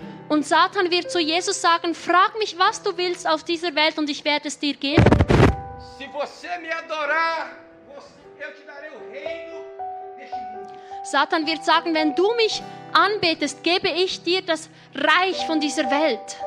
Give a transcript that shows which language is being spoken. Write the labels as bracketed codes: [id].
[de] Und Satan wird zu Jesus sagen, frag mich, was du willst auf dieser Welt und ich werde es dir geben. [pt] Se você me adorar, eu te darei o reino. [de] Satan wird sagen, wenn du mich anbetest, gebe ich dir das Reich von dieser Welt.